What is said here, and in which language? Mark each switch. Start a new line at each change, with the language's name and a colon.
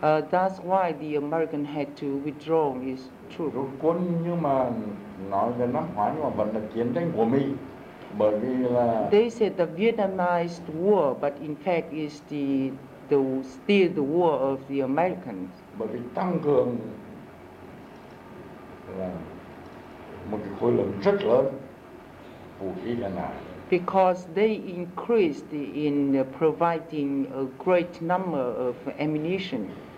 English: That's why the American had to withdraw his troops.
Vietnamese: Rút quân nhưng mà nói về năm ngoái nhưng mà vẫn là chiến tranh của Mỹ, bởi vì là.
English: They said the Vietnamized war, but in fact is the still the war of the Americans.
Vietnamese: Bởi vì tăng cường là một cái khối lượng rất lớn vũ khí hiện đại.
English: Because they increased in providing a great number of ammunition.